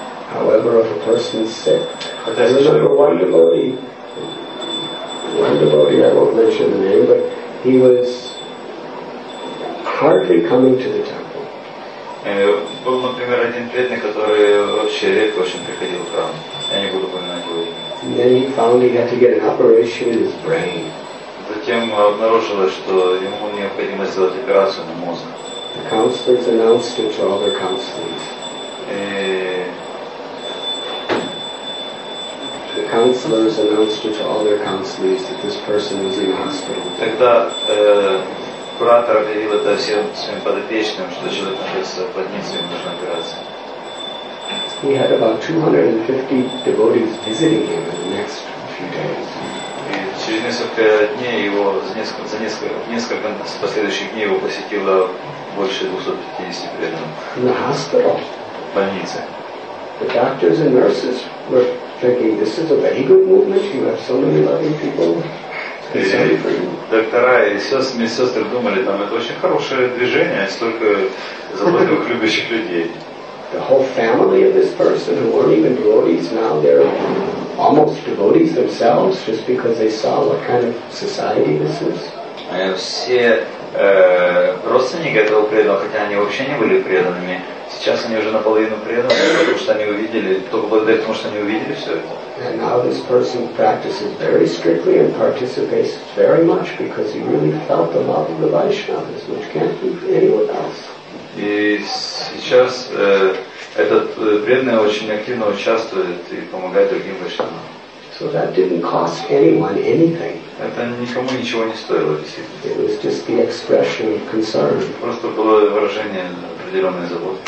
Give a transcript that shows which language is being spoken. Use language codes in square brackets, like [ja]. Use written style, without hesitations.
[en] However, if a person is sick, I remember one devotee, I won't mention the name, but he was hardly coming to the temple. [ru] Был, например, один преданный, который вообще редко очень приходил к храму. Я не буду упоминать его. [en] And then he found he had to get an operation in his brain. [ru] Затем обнаружилось, что ему необходимо сделать операцию на мозг. [en] The counselors announced it to all their counselors. The counselors announced it to all their counselors that this person was in hospital. [ru] Тогда куратор объявил это всем своим подопечным, что человек находится в больнице и нужна операция. [en] He had about 250 devotees visiting him in the next few days. [ru] Через несколько дней его, за несколько последующих дней его посетило больше 250 преданных. В больнице. [en] The doctors and nurses were thinking, this is a very good movement, you have so many loving people. [ru] Доктора и медсестры думали, там это очень хорошее движение, столько заботливых любящих людей. [en] The whole family of this person, who weren't even devotees, now they're almost devotees themselves, just because they saw what kind of society this is. [ru] Все родственники этого преданного, хотя они вообще не были преданными, сейчас они уже наполовину преданы, потому что они увидели, только благодаря тому, что они увидели все это. [en] And now this person practices very strictly and participates very much because he really felt the love of the Vaishnavas, which can't be anyone else. [ru] И сейчас этот преданный очень активно участвует и помогает другим вайшнавам. [en] So that didn't cost anyone anything. [ru] Это никому ничего не стоило, действительно. [en] It was just the expression of concern. [ru] Просто было выражение определенной заботы.